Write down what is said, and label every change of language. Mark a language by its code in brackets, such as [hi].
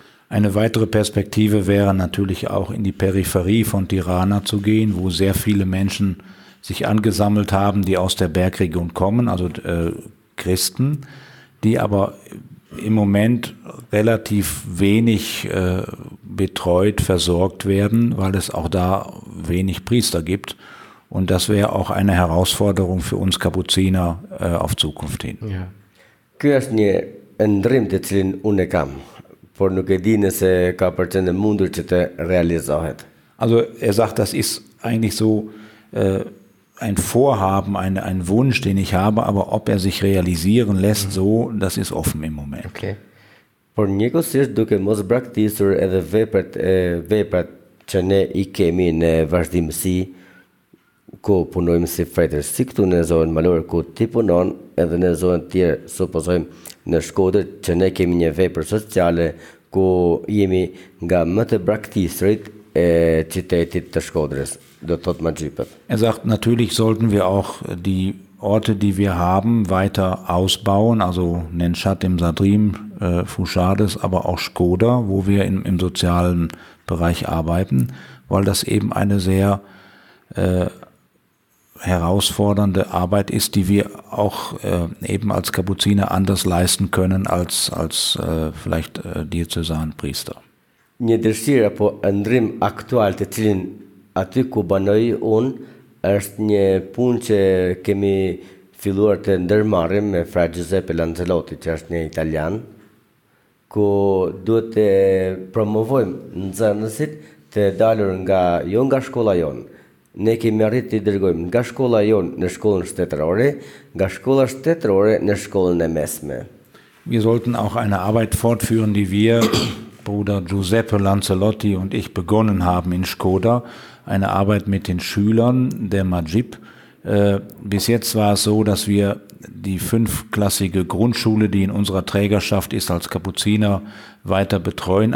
[de] Eine weitere Perspektive wäre natürlich auch in die Peripherie von Tirana zu gehen, wo sehr viele Menschen sich angesammelt haben, die aus der Bergregion kommen, also Christen, die aber im Moment relativ wenig betreut, versorgt werden, weil es auch da wenig Priester gibt. Und das wäre auch eine Herausforderung für uns Kapuziner auf Zukunft hin. [sq] Ky është një ndrim të cilin unë kam, por nuk e di nëse ka për të në mundur që të realizohet. [de] Also sagt, das ist eigentlich so ein Vorhaben, ein Wunsch, den ich habe, aber ob sich realisieren lässt, so, das ist offen im Moment. Okay. [sq] Por njëkohësisht, duke mos braktisur edhe veprat që ne i kemi në vazhdimësi, ku punojmë si fretër, si këtu në zonën Malore, ku ti punon, edhe në zonën tjerë, supozojmë në Shkodër, që ne kemi një vepër sociale, ku jemi nga më të braktisurit e qytetit të Shkodrës. [de] Sagt, natürlich sollten wir auch die Orte, die wir haben, weiter ausbauen, also Nenshat im Sadrim, Fushades, aber auch Škoda, wo wir im sozialen Bereich arbeiten, weil das eben eine sehr herausfordernde Arbeit ist, die wir auch eben als Kapuziner anders leisten können als vielleicht Diözesanpriester. [sq] Një dëshirë apo ndrim aktual të cilin aty ku banoj unë është një punë që kemi filluar të ndërmarrim me Fra Giuseppe Lanzelotti, që është një italian, ku duhet të promovojmë nxënësit të dalur nga, jo nga shkolla jonë. Ne kemi arritë të i dërgojmë nga shkolla jonë në shkollën shtetërore, nga shkolla shtetërore në shkollën e mesme. [de] Wir sollten auch eine Arbeit fortführen, die wir, Bruder Giuseppe Lanzelotti und ich, begonnen haben in Škoda. Eine Arbeit mit den Schülern der Majib. Bis jetzt war es so, dass wir die fünfklassige Grundschule, die in unserer Trägerschaft ist, als Kapuziner weiter betreuen.